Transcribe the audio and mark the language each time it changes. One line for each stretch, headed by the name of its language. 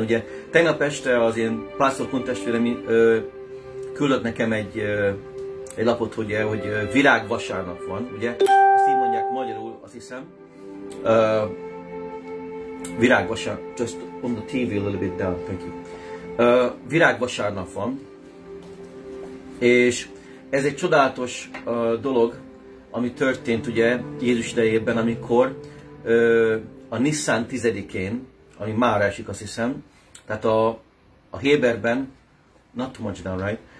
Hungarian: Ugye tegnap este az én pásztor kontestvérem küldött nekem egy lapot, ugye, hogy virágvasárnap van, ugye? Ezt így mondják magyarul, azt hiszem. Virágvasárnap.
English: Just on the TV a little bit down, thank you.
Hungarian: Virágvasárnap van. És ez egy csodálatos dolog, ami történt ugye Jézus idejében, amikor a Nisszán 10-én, ami már esik, azt hiszem, tehát a Héberben,
English: not too much down, right?